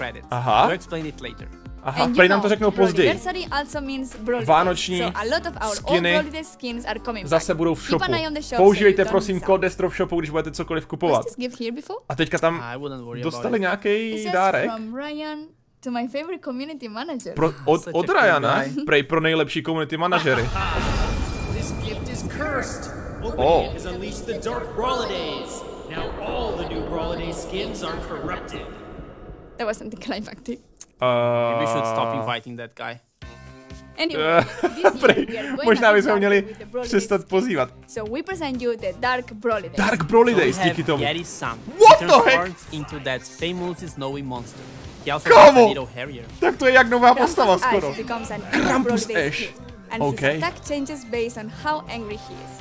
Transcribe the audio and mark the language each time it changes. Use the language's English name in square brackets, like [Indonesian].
[Czech] Aha. Aha, prej nám to řeknou později. Vánoční skiny zase budou v shopu. Používejte prosím kód Destro v shopu, když budete cokoliv kupovat. A teďka tam dostali nějaký dárek. [English] To my favorite community manager. [Czech] Od Ryana, prej pro nejlepší community manažery. [English] Cursed! Opening it has unleashed the dark Brawlidays! Now all the new Brawliday skins are corrupted! That wasn't the climactic. Maybe we should stop inviting that guy. Anyway, [Czech] možná bychom měli přestat pozývat. [English] So we present you the Dark Brawlidays. Dark Brawlidays, so [Czech] díky tomu. [English] Yeti Sam. What the heck? Into that famous snowy monster. He also [Czech] kámo! Tak to je jak nová Krampus postava Ash skoro. Krampus Ash. [English] And okay. His attack changes based on how angry he is.